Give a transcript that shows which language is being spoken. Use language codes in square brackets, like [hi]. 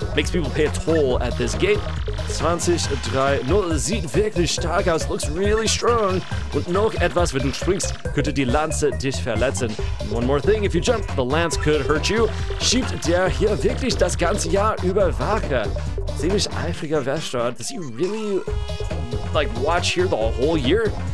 [en] Makes people pay a toll at this gate. [de] 20-3-0. Sieht wirklich stark aus. [en] Looks really strong. [de] Und noch etwas, wenn du springst, könnte die Lanze dich verletzen. [en] One more thing, if you jump, the lance could hurt you. [de] Schiebt der hier wirklich das ganze Jahr über Wache? Ziemlich eifriger Wächter. [en] Does he really, like, watch here the whole year?